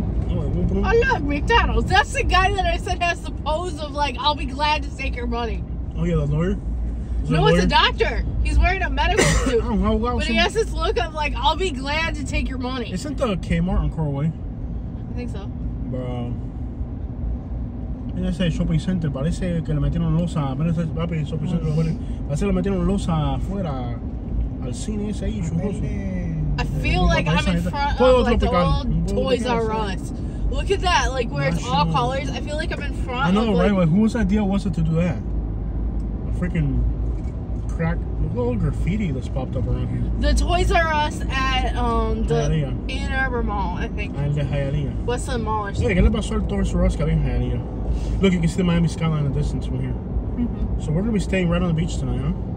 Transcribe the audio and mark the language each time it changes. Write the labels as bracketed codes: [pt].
[en] Oh, look, McDonald's. That's the guy that I said has the pose of, like, I'll be glad to take your money. Oh, yeah, the lawyer? It's a doctor. He's wearing a medical suit. But he has this look of, like, I'll be glad to take your money. Isn't the Kmart on Coralway? I think so. Bro. [es] En ese shopping center parece que le metieron losa, parece que le metieron losa afuera al cine ese ahí, churroso. [en] I feel like I'm in front of like the old Toys R Us. Look at that, like where it's all colors. I feel like I'm in front of I know, of, right? Like, but whose idea was it to do that? A freaking crack, look at all the graffiti that's popped up around here. The Toys R Us at the Ann Arbor Mall, I think. And the Hialeah. Westland Mall or something. [es] Yeah, ¿qué le pasó al Toys R Us que había en Hialeah? [en] Look, you can see the Miami skyline in the distance from here. Mm-hmm. So we're going to be staying right on the beach tonight, huh?